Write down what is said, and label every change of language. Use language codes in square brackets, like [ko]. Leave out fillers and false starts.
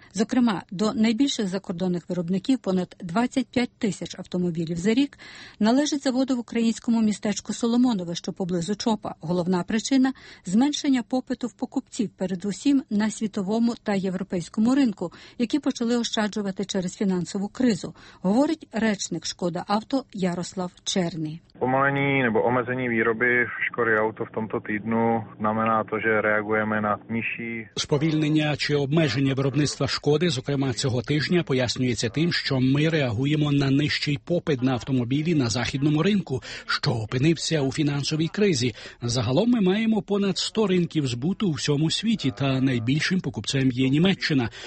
[uk] Зокрема, до найбільших закордонних виробників понад 25 тисяч автомобілів за рік належить заводу в українському містечку Соломонове, що поблизу ЧОПа. Головна причина – зменшення попиту в покупців, передусім на світовому та європейському ринку, які почали ощаджувати через фінансову кризу, говорить речник «Шкода Авто» Ярослав Черний. [cs] Pomalení nebo omezení výroby Škody Auto v tomto týdnu znamená to, že reagujeme na nižší... [uk] Сповільнення чи обмеження виробництва Шкоди, зокрема цього тижня, пояснюється тим, що ми реагуємо на нижчий попит на автомобілі на західному ринку, що опинився у фінансовій кризі. Загалом ми маємо понад 100 ринків збуту у всьому світі, та найбільшим покупцем є Німеччина.